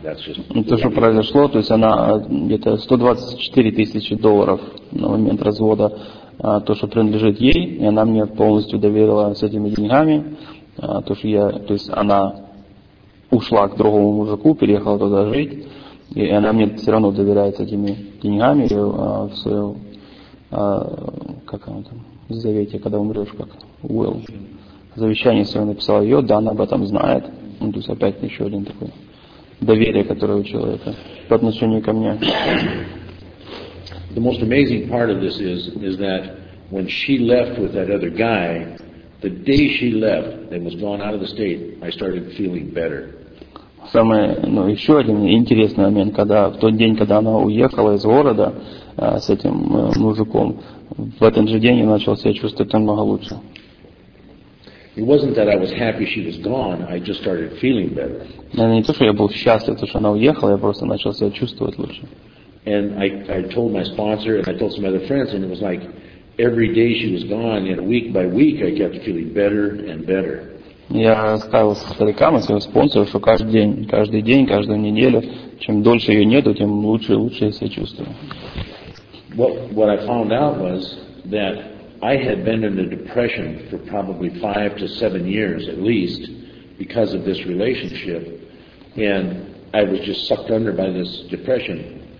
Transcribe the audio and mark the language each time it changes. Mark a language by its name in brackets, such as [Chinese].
[English] That's just... [Russian] То, что произошло, то есть она где-то 124 тысячи долларов на момент развода, то, что принадлежит ей, и она мне полностью доверила с этими деньгами, то, что я, то есть она ушла к другому мужику, переехала туда жить, и она мне все равно доверяет с этими деньгами, и в свою... как она там, в завете, когда умрешь, как will. Завещание свое написала ее, да, она об этом знает. Ну, то есть опять еще один такой доверие, которое у человека по отношению ко мне. [English] The most amazing part of this is that when she left with that other guy, the day she left and was gone out of the state, I started feeling better. [Russian] Самое, ну, еще один интересный момент, когда в тот день, когда она уехала из города с этим мужиком, в этот же день я начал себя чувствовать намного лучше. [English] It wasn't that I was happy she was gone, I just started feeling better. [Russian] Наверное, не то, что я был счастлив, то, что она уехала, я просто начал себя чувствовать лучше. [English] And I told my sponsor and I told some other friends, and it was like every day she was gone, and week by week I kept feeling better and better. [Russian] Я рассказывал старикам и своим спонсорам, что каждый день, каждую неделю, чем дольше ее нету, тем лучше и лучше я себя чувствую. [English] What I found out was that I had been in a depression for probably 5 to 7 years at least because of this relationship, and I was just sucked under by this depression.